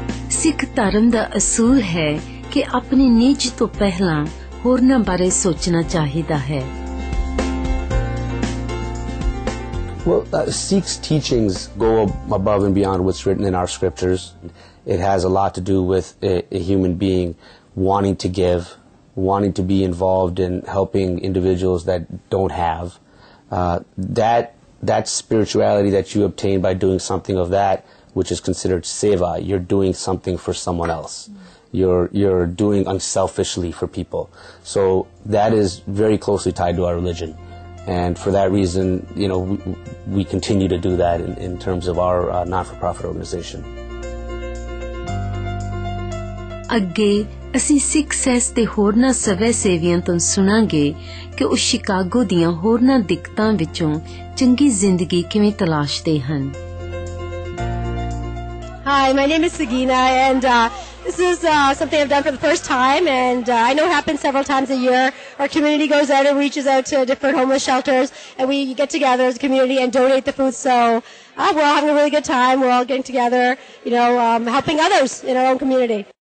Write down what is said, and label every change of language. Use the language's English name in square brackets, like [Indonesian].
[Punjabi] ਸਿੱਖ ਧਰਮ ਦਾ ਅਸੂਲ ਹੈ ਕਿ ਆਪਣੇ ਨਿੱਜ ਤੋਂ ਪਹਿਲਾਂ ਹੋਰਨਾਂ ਬਾਰੇ ਸੋਚਣਾ ਚਾਹੀਦਾ ਹੈ। [English] Well, Sikhs' teachings go above and beyond what's written in our scriptures. It has a lot to do with a human being wanting to give, wanting to be involved in helping individuals that don't have. That spirituality that you obtain by doing something of that, which is considered seva, you're doing something for someone else. You're doing unselfishly for people. So that is very closely tied to our religion. And for that reason, you know, we continue to do that in terms of our not-for-profit organization. [Punjabi] ਅੱਗੇ ਅਸੀਂ ਸਿੱਖ ਸਹਿਸ ਤੇ ਹੋਰਨਾਂ ਸਵੈ ਸੇਵੀਆਂ ਤੋਂ ਸੁਣਾਂਗੇ ਕਿ ਉਹ Chicago ਦੀਆਂ ਹੋਰਨਾਂ ਦਿੱਕਤਾਂ ਵਿੱਚੋਂ ਚੰਗੀ ਜ਼ਿੰਦਗੀ ਕਿਵੇਂ ਤਲਾਸ਼ਦੇ ਹਨ। [English] Hi, my name is Sagina, and this is something I've done for the first time, and I know it happens several times a year. Our community goes out and reaches out to different homeless shelters, and we get together as a community and donate the food. So we're all having a really good time. We're all getting together, you know, helping others in our own community.